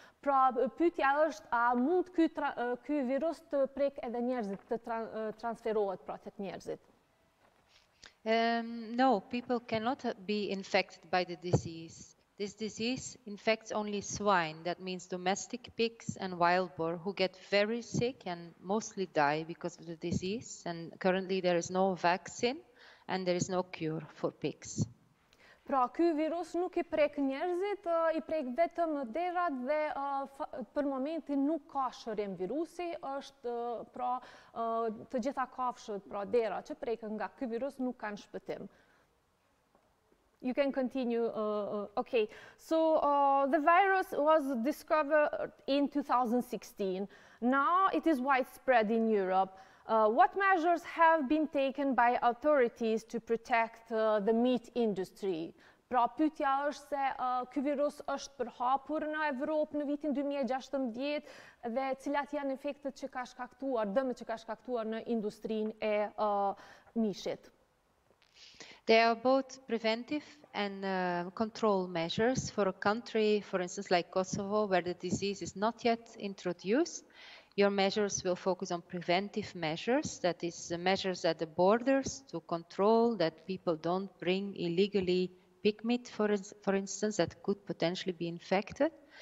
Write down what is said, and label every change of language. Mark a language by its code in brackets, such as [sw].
[sq] Pra, pyetja është, a mund ky virus të prek edhe njerëzit, të transferohet pra tek njerëzit? [en] No, people cannot be infected by the disease. This disease infects only swine, that means domestic pigs and wild boar, who get very sick and mostly die because of the disease. And currently there is no vaccine and there is no cure for pigs. [sq] Pra, ky virus nuk I prek njerëzit, I prek vetëm derat dhe për momentin nuk ka shërim virusi, është pra të gjitha kafshët, pra dera që preken nga ky virus nuk kanë shpëtim. [en] You can continue. Okay, so the virus was discovered in 2016. Now it is widespread in Europe. What measures have been taken by authorities to protect the meat industry? [sq] Pra, pyetja është se ky virus është përhapur në Evropë në vitin 2016 dhe cilat janë efektet që ka shkaktuar, dëmet që ka shkaktuar në industrinë e mishit? [en] They are both preventive and control measures for a country, for instance, like Kosovo, where the disease is not yet introduced. Your measures will focus on preventive measures, that is, measures at the borders to control that people don't bring illegally pig meat, for instance, that could potentially be infected.